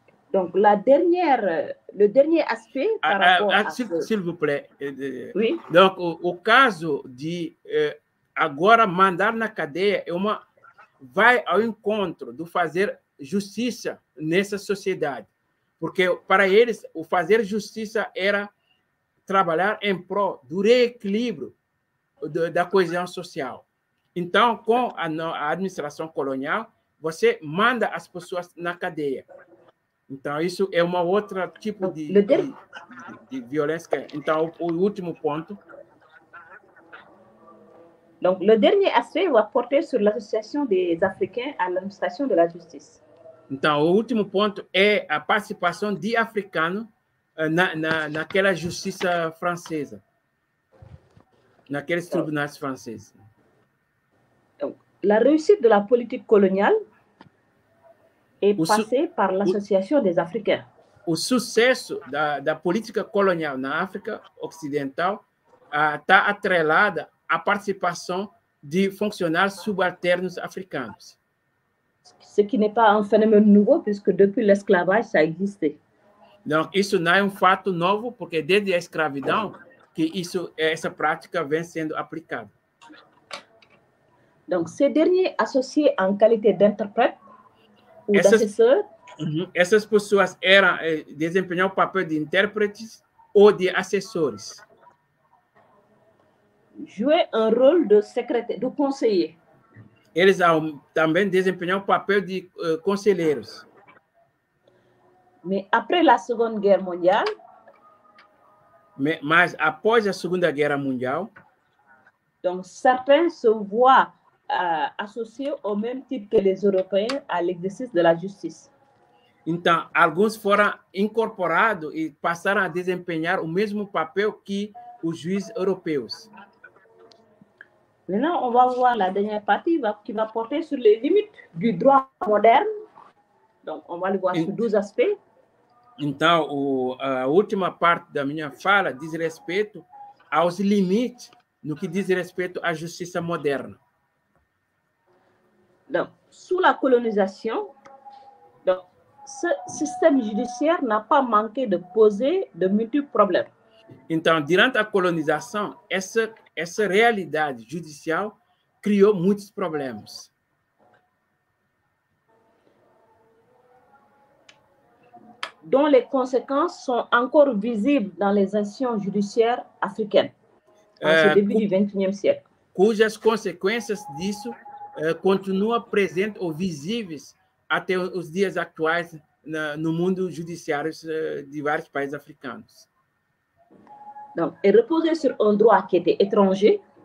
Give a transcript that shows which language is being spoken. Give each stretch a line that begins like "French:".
French: Donc la dernière, le dernier aspect par rapport S'il, à ce... s'il vous plaît. Oui.
Portuguese: Donc au caso de agora mandar na cadeia é uma vai ao encontro do fazer justiça nessa sociedade, porque para eles o fazer justiça era trabalhar em pro do reequilíbrio da coesão social. Então com a administração colonial você manda as pessoas na cadeia. Então, isso é uma outra tipo de violência. Que, então, o último ponto.
French: Donc, le dernier aspect va porter sur l'association des Africains à l'administration de la justice.
Portuguese: Então, o último ponto é a participação de africanos naquela justiça francesa, naqueles tribunais franceses.
French: Donc, la réussite de la politique coloniale é passé par l'Association des Africains.
Portuguese: O sucesso da política colonial na África Ocidental está atrelada à participação de funcionários subalternos africanos.
French: Ce qui n'est pas un phénomène nouveau, puisque depuis l'esclavage, ça existait.
Portuguese: Donc, isso não é fato novo, porque desde a escravidão que isso, essa prática vem sendo aplicada.
French: Donc, ces derniers associés en qualité d'interprète.
Portuguese: Essas pessoas eram desempenhar o papel de intérpretes ou de assessores.
French: Jouer un rôle de secrétaire, de conseiller.
Portuguese: Eles também desempenhavam o papel de conselheiros.
French: Mais après la Seconde Guerre mondiale,
Portuguese: mas após a Segunda Guerra Mundial,
French: donc certains se voient associés au même titre que les Européens à l'exercice de la justice.
Portuguese: Então, alguns foram incorporados e passaram a desempenhar o mesmo papel que os juízes europeus.
French: Maintenant, on va voir la dernière partie qui va porter sur les limites du droit moderne. Donc, on va le voir sur 12 aspects.
Portuguese: Então, a última parte da minha fala diz respeito aos limites no que diz respeito à justiça moderna.
French: Donc, sous la colonisation, donc, ce système judiciaire n'a pas manqué de poser de multiples problèmes.
Portuguese: Então, durante a colonização, essa realidade judicial criou muitos problemas.
French: Dont les conséquences sont encore visibles dans les institutions judiciaires africaines en ce début du XXIe siècle.
Portuguese: Cujas consequências disso continua presente ou visíveis até os dias atuais no mundo judiciário de vários países africanos.
French: Donc, et reposer sur un droit qui était étranger.